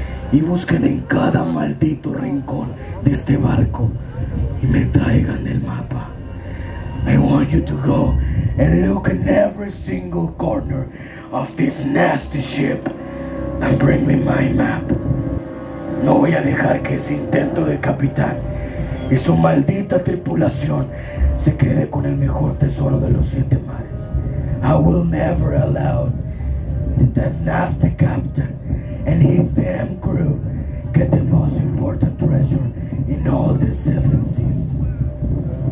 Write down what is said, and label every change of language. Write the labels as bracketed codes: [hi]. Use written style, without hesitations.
[es] Y busquen en cada maldito rincón de este barco y me traigan el mapa. [en] I want you to go and look in every single corner of this nasty ship and bring me my map. [es] No voy a dejar que ese intento de capitán y su maldita tripulación se quede con el mejor tesoro de los siete mares. [en] I will never allow that nasty captain and his damn crew get the most important treasure in all the seven seas.